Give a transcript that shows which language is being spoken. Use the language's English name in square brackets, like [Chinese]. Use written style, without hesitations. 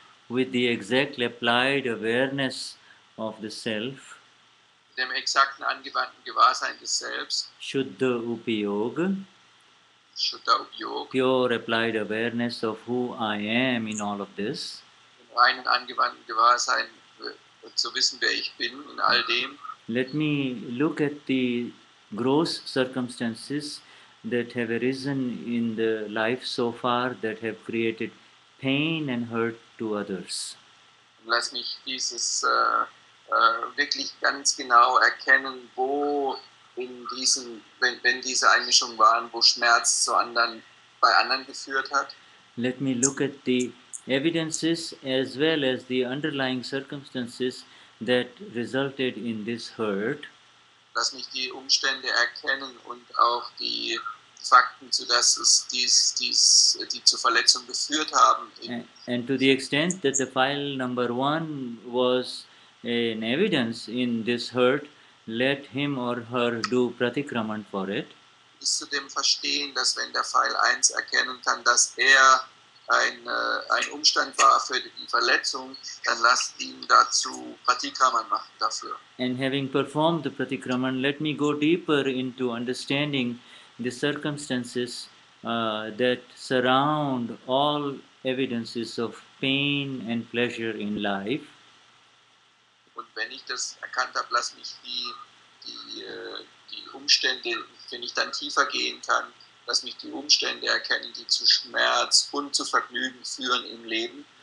[English] With the exactly applied awareness of the Self. [German] Dem exakten angewandten Gewahrsein des Selbst. [English] Shuddha Upyoga. [German] Shuddha Upyoga. [English] Pure applied awareness of who I am in all of this. [German] Im reinen angewandten Gewahrsein zu wissen, wer ich bin in all dem. [English] Let me look at the gross circumstances that have arisen in the life so far that have created pain and hurt to others. [German] Lass mich dieses wirklich ganz genau erkennen, wo in diesen, wenn diese Einmischung waren, wo Schmerz zu anderen, bei anderen geführt hat. [English] Let me look at the evidences as well as the underlying circumstances that resulted in this hurt. [German] Lass mich die Umstände erkennen und auch die Fakten, zu dass es dies die zur Verletzung geführt haben. [English] And to the extent that the file number one was an evidence in this hurt, let him or her do pratikraman for it. [German] zu dem Verstehen, dass wenn der Pfeil 1 erkennen kann, dass er ein Umstand war für die Verletzung, dann lass ihn dazu Pratikraman machen dafür. [English] And having performed the Pratikraman, let me go deeper into understanding the circumstances that surround all evidences of pain and pleasure in life. [German] Und wenn ich das erkannt habe, lass mich die Umstände, wenn ich dann tiefer gehen kann, lass mich die Umstände erkennen, die zu Schmerz und zu Vergnügen führen im Leben.